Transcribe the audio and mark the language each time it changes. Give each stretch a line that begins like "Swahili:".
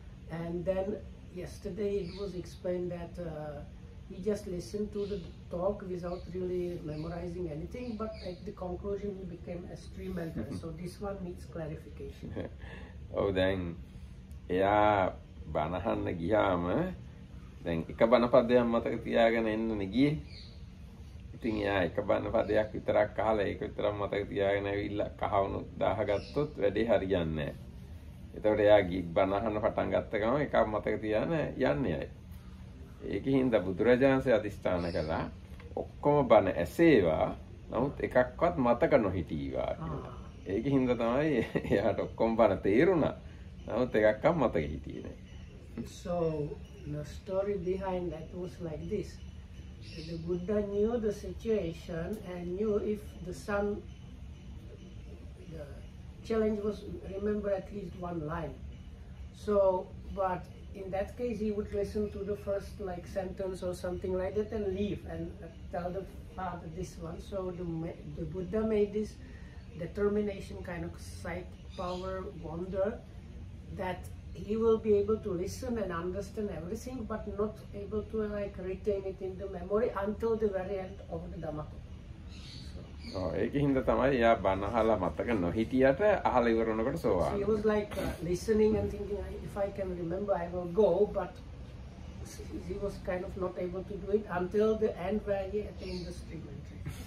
English: And then yesterday it was explained that he just listened to the talk without really memorizing anything, but at the conclusion he became a stream elder. So this one needs clarification. Oh, then, yeah,
Sinhala: banahan giyama. දැන් එක බණ පදයක් මතක තියාගෙන එන්නනේ ගියේ. ඉතින් එයා එක බණ පදයක් විතරක් අහලා ඒක විතරක් මතක තියාගෙන ඇවිල්ලා කහවණු දාහ ගත්තොත් වැඩේ හරියන්නේ නැහැ. එතකොට එයා ගිග් බණ අහන්න පටන් ගත්ත ගමන් එකක් මතක තියාගෙන යන්නේ අය. ඒකේ හින්දා බුදුරජාණන්සේ අදිස්ථාන කළා ඔක්කොම බණ ඇසේවා නමුත් එකක්වත් මතක නොහිටීවා කියලා. ඒකේ හින්දා තමයි එයාට ඔක්කොම බණ තේරුණා. නමුත් එකක්වත් මතක හිටියේ නැහැ.
English: So the story behind that was like this. The Buddha knew the situation and knew if the son, the challenge was remember at least one line. So, but in that case he would listen to the first like sentence or something like that and leave and tell the father this one. So the Buddha made this determination kind of sight, power, wonder that he will be able to listen and understand everything but not able to like retain it in the memory until the very end of the Dhammaka.
Sinhala: So, ඒක හින්දා තමයි එයා බණ අහලා මතක නොහිටියට අහලා ඉවර වෙනකොට සෝවාන්.
English: He was like listening and thinking if I can remember I will go but he was kind of not able to do it until the end where he attained the stream entry.